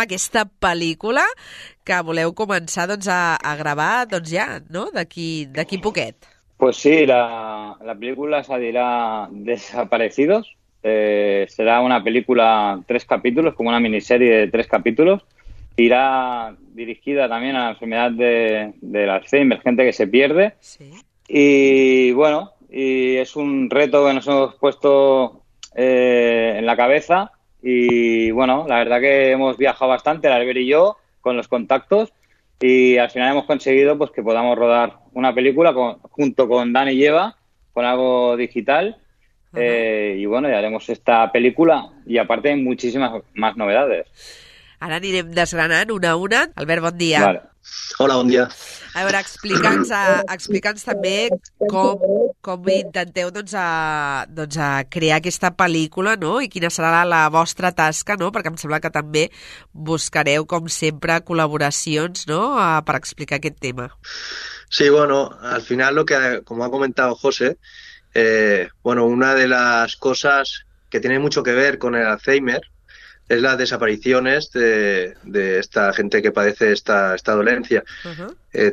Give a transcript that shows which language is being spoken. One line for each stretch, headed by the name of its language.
Catalan: Aquesta pel·lícula que voleu començar doncs, a gravar doncs, ja, no? D'aquí poquet.
Spanish: Pues sí, la pel·lícula se dirà Desaparecidos.
Catalan: Serà una pel·lícula 3 capítulos, com una miniserie de 3 capítulos.
Spanish: Irá dirigida también a la enfermedad de la Alzheimer, gente que se pierde. Sí. Y bueno, y es un reto que nos hemos puesto en la cabeza. Y bueno, la verdad que hemos viajado bastante, Albert y yo, con los contactos. Y al final hemos conseguido pues que podamos rodar una película junto con Dani y Eva, con algo digital. Y bueno, ya haremos esta película. Y aparte hay muchísimas más novedades.
Catalan: Ara anirem desgranant una a una. Albert, bon dia. Vale. Hola, bon dia. A veure, explica'ns també com intenteu doncs crear aquesta pel·lícula, no? I quina serà la vostra tasca, no? Perquè em sembla que també buscareu, com sempre, col·laboracions, no? Per explicar aquest tema.
Spanish: Sí, bueno, al final, com ha comentado José, una de las cosas que tiene mucho que ver con el Alzheimer es las desapariciones de esta gente que padece esta dolencia. Uh-huh.